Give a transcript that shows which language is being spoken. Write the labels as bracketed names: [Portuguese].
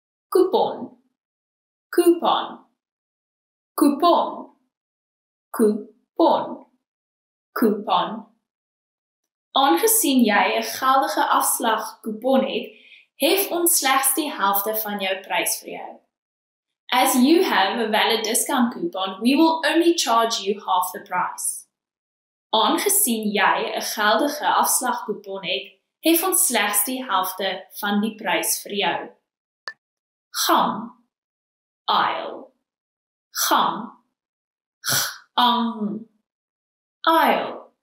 [English] Coupon, coupon, coupon, coupon, coupon. [Afrikaans] Aangesien jy 'n geldige afslag coupon het, hef ons slegs die helfte van jou prys vir jou. [English] As you have a valid discount coupon, we will only charge you half the price. [Afrikaans] Aangesien jy 'n geldige afslag coupon het, hef ons slegs die helfte van die prys vir jou. Gang, aisle, gang, gang, aisle.